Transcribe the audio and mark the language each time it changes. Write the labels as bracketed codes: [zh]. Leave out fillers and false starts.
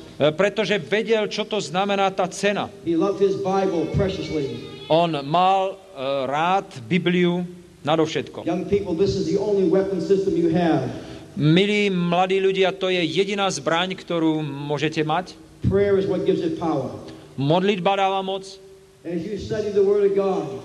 [sk] Pretože vedel, čo to znamená tá cena. [en] He loved his Bible preciously. [sk] On mal rád Bibliu nadovšetko. [en] Young people, this is the only weapon system you have. [sk] Milí mladí ľudia, to je jediná zbraň, ktorú môžete mať. [en] Prayer is what gives it power. [sk] Modlitba dáva moc. [en] As you study the word of God,